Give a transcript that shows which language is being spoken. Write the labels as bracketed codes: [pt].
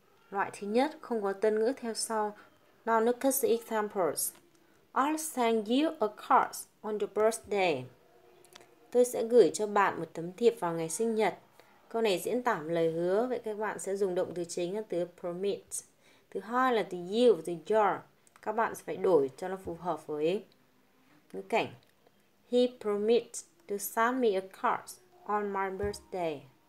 [vi] Loại thứ nhất không có tên ngữ theo sau. [en] Now look at the examples. I'll send you a card on your birthday. [vi] Tôi sẽ gửi cho bạn một tấm thiệp vào ngày sinh nhật. Câu này diễn tả một lời hứa, vậy các bạn sẽ dùng động từ chính là từ permit. Thứ hai là từ you, từ your. Các bạn sẽ phải đổi cho nó phù hợp với ngữ cảnh. [en] He promised to send me a card on my birthday.